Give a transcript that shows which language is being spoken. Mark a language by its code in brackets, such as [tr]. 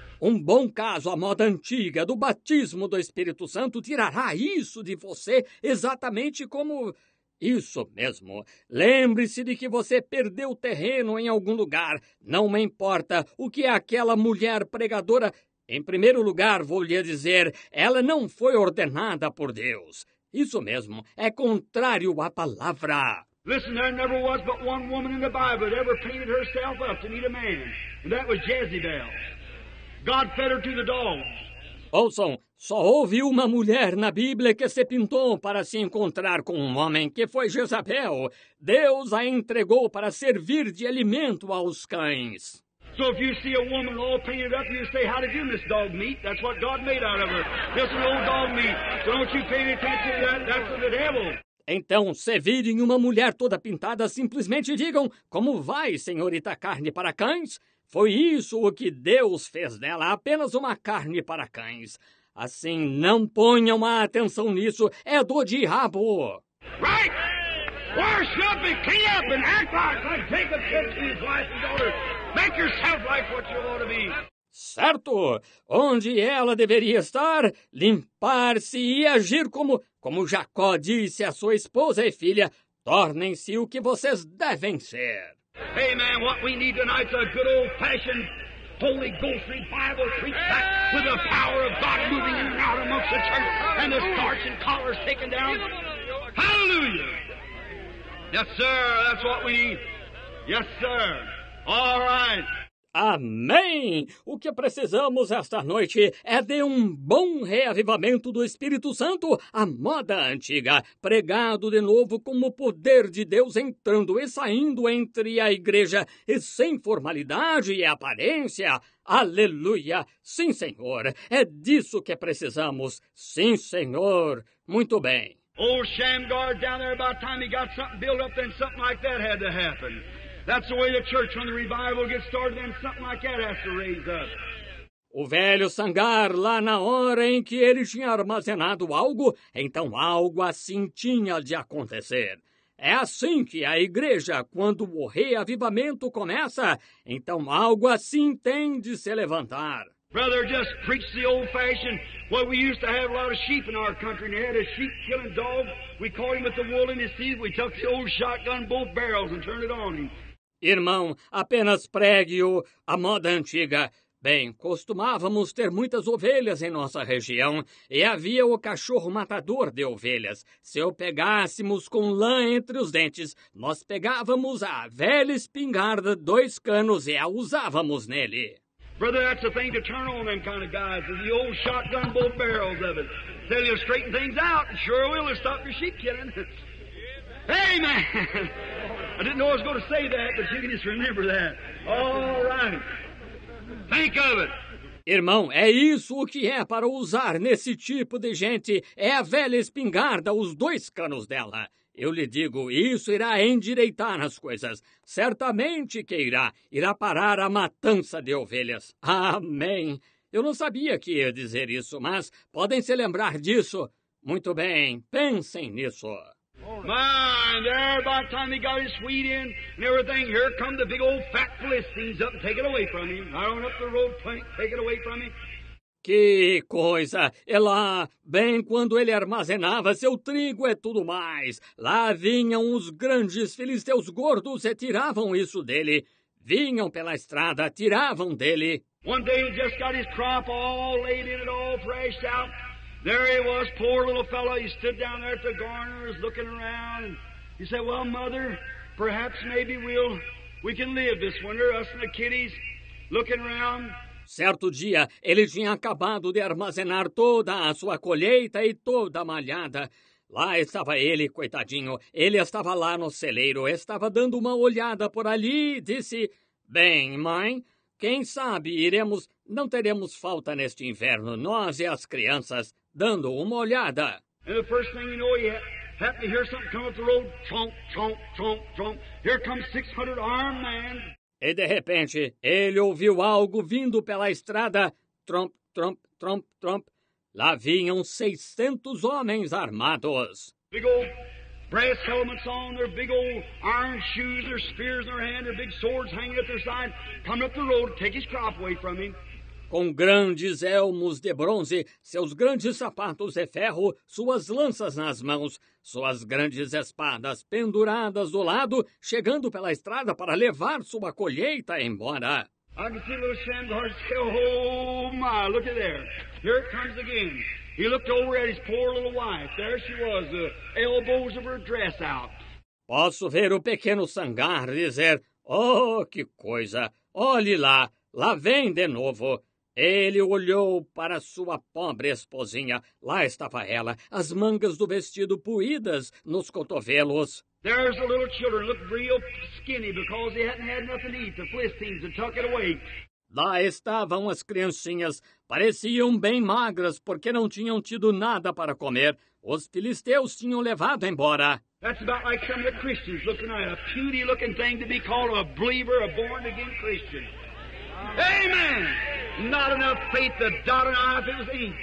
[pt] Um bom caso à moda antiga do batismo do Espírito Santo tirará isso de você exatamente como... Isso mesmo. Lembre-se de que você perdeu o terreno em algum lugar. Não me importa o que é aquela mulher pregadora. Em primeiro lugar, vou lhe dizer, ela não foi ordenada por Deus. Isso mesmo. É contrário à palavra. [en] Listen, there never was but one woman in the Bible that ever painted herself up to meet a man. And that was Jezebel. God fed her to the dogs. [pt] Ouçam, só houve uma mulher na Bíblia que se pintou para se encontrar com um homem, que foi Jezabel. Deus a entregou para servir de alimento aos cães. [en] So if you see a woman all painted up, you say, how did you miss dog meat? That's what God made out of her. This is old dog meat. So don't you pay attention to that. That's the devil. [pt] Então, se virem uma mulher toda pintada, simplesmente digam, como vai, senhorita carne para cães? Foi isso o que Deus fez dela, apenas uma carne para cães. Assim, não ponham uma atenção nisso, é do diabo. [en] Right! Worship and clean up and act like Jacob said to his wife and daughter. Make yourself like what you ought to be. [pt] Certo! Onde ela deveria estar? Limpar-se e agir como Jacó disse a sua esposa e filha. Tornem-se o que vocês devem ser. [en] Hey, man, what we need tonight is a good old-fashioned Holy Ghost revival preached back with the power of God moving in and out amongst the church and the starch and collars taken down. Hallelujah! Yes, sir, that's what we need. Yes, sir. All right. [pt] Amém! O que precisamos esta noite é de um bom reavivamento do Espírito Santo à moda antiga, pregado de novo como o poder de Deus entrando e saindo entre a igreja e sem formalidade e aparência. Aleluia! Sim, Senhor! É disso que precisamos. Sim, Senhor! Muito bem! [en] Old Shamgar down there, about time he got something built up, then something like that had to happen. That's the way the church, when the revival gets started, then something like that has to raise up. [pt] O velho Sangar, lá na hora em que ele tinha armazenado algo, então algo assim tinha de acontecer. É assim que a igreja, quando o reavivamento começa, então algo assim tem de se levantar. [en] Brother, just preach the old fashioned way. Well, we used to have a lot of sheep in our country, and they had a sheep killing dog. We caught him with the wool in his teeth. We took the old shotgun, both barrels, and turned it on him. [pt] Irmão, apenas pregue-o à moda antiga. Bem, costumávamos ter muitas ovelhas em nossa região e havia o cachorro matador de ovelhas. Se o pegássemos com lã entre os dentes, nós pegávamos a velha espingarda, dois canos e a usávamos nele. [en] Brother, that's a thing to turn on them kind of guys, is the old shotgun both barrels of it. Tell you straighten things out, and sure will it stop your sheep killing. Hey, man! I didn't know I was going to say that, but you can just remember that. All right. Think of it. [pt] Irmão, é isso o que é para usar nesse tipo de gente. É a velha espingarda, os dois canos dela. Eu lhe digo, isso irá endireitar as coisas. Certamente que irá parar a matança de ovelhas. Amém. Eu não sabia que ia dizer isso, mas podem se lembrar disso. Muito bem, pensem nisso. [en] Mind, there by the time he got his wheat in and everything, here come the big old fat Philistines up and take it away from him. I run up the road, take it away from him. [pt] Que coisa! E lá, bem quando ele armazenava seu trigo e tudo mais, lá vinham os grandes filisteus gordos e tiravam isso dele. Vinham pela estrada, tiravam dele. [en] One day he just got his crop all laid in it, all threshed out. There he was, poor little fellow. He stood down there at the garners looking around. He said, well, mother, perhaps maybe we can live this winter, us and the kiddies, looking around. [pt] Certo dia, ele tinha acabado de armazenar toda a sua colheita e toda a malhada. Lá estava ele, coitadinho. Ele estava lá no celeiro, estava dando uma olhada por ali e disse, bem, mãe, quem sabe iremos, não teremos falta neste inverno, nós e as crianças, dando uma olhada. [en] And the first thing you know, he happened to hear something come up the road, chomp, chomp, chomp, chomp. Here comes 600 armed men. [pt] E de repente, ele ouviu algo vindo pela estrada. Tromp, tromp, tromp, tromp. Lá vinham 600 homens armados. [en] Big old brass helmets on, their big old iron shoes, their spears in their hand, their big swords hanging at their side. Come up the road, take his crop away from him. [pt] Com grandes elmos de bronze, seus grandes sapatos de ferro, suas lanças nas mãos, suas grandes espadas penduradas do lado, chegando pela estrada para levar sua colheita embora. [en] I can see little Shamgar say, oh my, look at there. Here it comes again. He looked over at his poor little wife. There she was, the elbows of her dress out. [pt] Posso ver o pequeno Sangar dizer, oh, que coisa, olhe lá, lá vem de novo. Ele olhou para sua pobre esposinha. Lá estava ela, as mangas do vestido puídas nos cotovelos. [en] There's the little children look real skinny because they hadn't had nothing to eat. The Philistines had took it away. [pt] Lá estavam as criancinhas. Pareciam bem magras porque não tinham tido nada para comer. Os filisteus tinham levado embora. [en] That's about like some of the Christians looking at a puny looking thing to be called a believer, a born again Christian. Amen! Not enough faith to dot an I if it was ink.